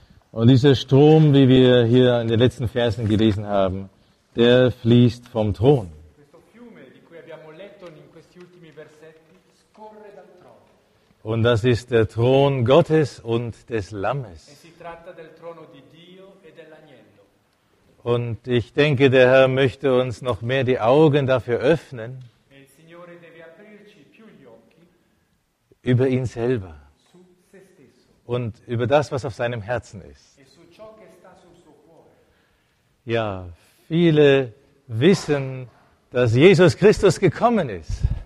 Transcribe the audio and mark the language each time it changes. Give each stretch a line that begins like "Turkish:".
German: Und dieser Strom, wie wir hier in den letzten Versen gelesen haben, der fließt vom Thron.
Italian: Questo fiume, di cui abbiamo letto in questi ultimi versetti, scorre dal trono.
German: Und das ist der Thron Gottes und des Lammes.
Italian: E si tratta del trono di Dio e dell'Agnello.
German: Und ich denke, der Herr möchte uns noch mehr die Augen dafür öffnen.
Italian: E il Signore deve aprirci più gli occhi.
German: Über ihn selber.
Italian: Su se stesso.
German: Und über das, was auf seinem Herzen ist.
Italian: E su ciò che sta sul suo cuore.
German: Ja, viele wissen, dass Jesus Christus gekommen ist.